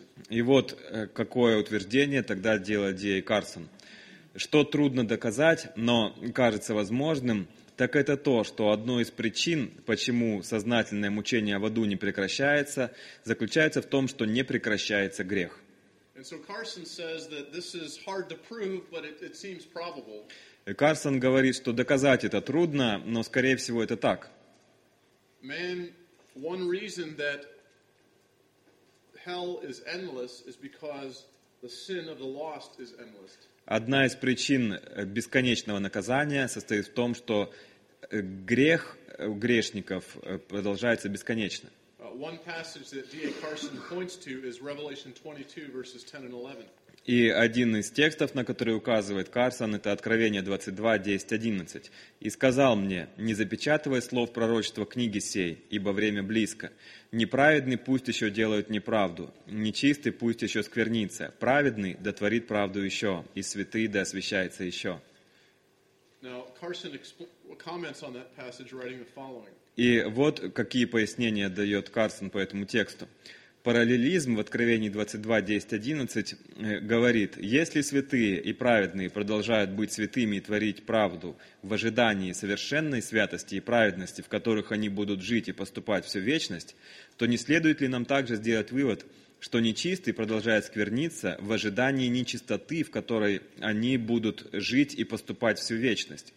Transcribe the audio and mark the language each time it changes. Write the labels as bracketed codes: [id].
[ru] И вот какое утверждение тогда делает Д.А. Карсон. Что трудно доказать, но кажется возможным, так это то, что одной из причин, почему сознательное мучение в аду не прекращается, заключается в том, что не прекращается грех. [en] And so Carson says that this is hard to prove, but it seems probable. [ru] Карсон говорит, что доказать это трудно, но скорее всего это так. [en] Man, one reason that hell is endless is because the sin of the lost is endless. [ru] Одна из причин бесконечного наказания состоит в том, что грех у грешников продолжается бесконечно. [en] One passage that D.A. Carson points to is Revelation 22, verses 10 and 11. [ru] И один из текстов, на который указывает Карсон, это Откровение 22, 10, 11. «И сказал мне, не запечатывай слов пророчества книги сей, ибо время близко. Неправедный пусть еще делает неправду, нечистый пусть еще сквернится, праведный да творит правду еще, и святый да освящается еще». [en] Now, Carson comments on that passage, writing the following. [ru] И вот какие пояснения дает Карсон по этому тексту. Параллелизм в Откровении 22, 10, 11 говорит, «Если святые и праведные продолжают быть святыми и творить правду в ожидании совершенной святости и праведности, в которых они будут жить и поступать всю вечность, то не следует ли нам также сделать вывод, что нечистый продолжает скверниться в ожидании нечистоты, в которой они будут жить и поступать всю вечность?